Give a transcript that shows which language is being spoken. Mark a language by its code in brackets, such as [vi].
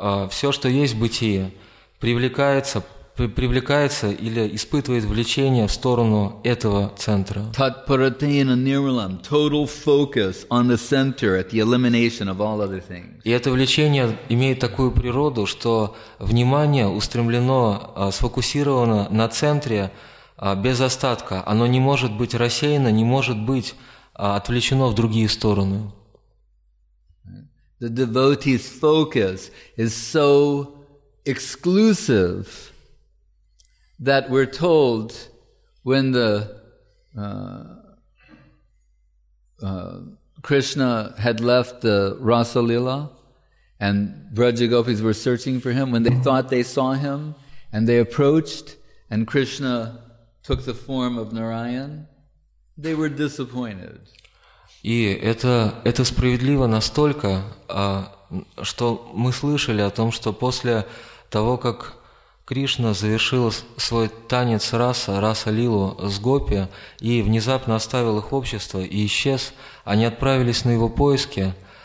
[ru] Все, что есть в бытии, привлекается или испытывает влечение в сторону этого центра. [sa] Tatparatena nirmalam, [en] total focus on the center at the elimination of all other things. [ru] И это влечение имеет такую природу, что внимание устремлено, сфокусировано на центре. Без остатка. Оно не может быть рассеяно, не может быть отвлечено в другие стороны. [en] The devotee's focus is so exclusive that we're told When the Krishna had left the Rasa Lila and Vrajagopis were searching for him, when they thought they saw him and they approached and Krishna took the form of Narayan, they were disappointed. [ru] И это справедливо настолько, что мы слышали о том, что после того, как Кришна завершил свой танец раса, раса-лилу с гопи и внезапно оставил их общество и исчез, они отправились на его поиски.